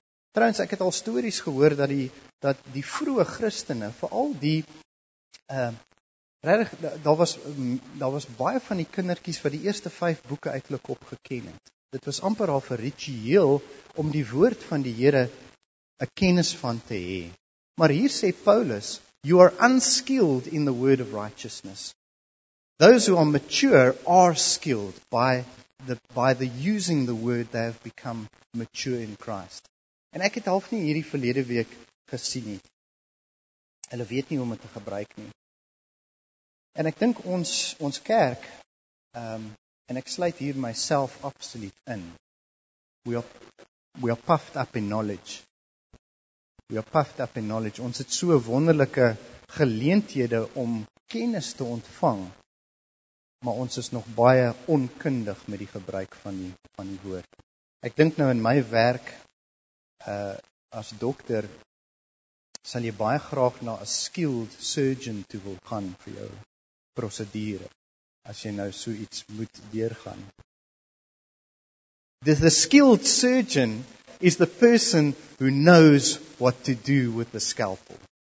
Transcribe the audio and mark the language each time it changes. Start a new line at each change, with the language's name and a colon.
Afrikaans: Trouwens, ek het al stories gehoor dat die vroeë Christene, veral die daar was baie van die kindertjies wat die eerste 5 boeke uit hulle kop geken het. Dit was amper al 'n ritueel om die woord van die Here 'n kennis van te hê. Maar hier sê Paulus,
English: you are unskilled in the word of righteousness. Those who are mature are skilled by the using the word they have become mature in Christ.
Afrikaans: En ek het half nie hierdie verlede week gesien nie. Hulle weet nie hoe om dit te gebruik nie. En ek dink ons kerk, en ek sluit hier myself absoluut in.
English: We are puffed up in knowledge. We are puffed up in knowledge.
Afrikaans: Ons het so wonderlike geleenthede om kennis te ontvang, maar ons is nog baie onkundig met die gebruik van die woord. Ek dink nou in my werk, as dokter, sal jy baie graag na 'n skilled surgeon toe wil gaan vir jou prosedure, as jy nou so iets moet deurgaan.
English: The skilled surgeon is the person who knows what to do with the scalpel.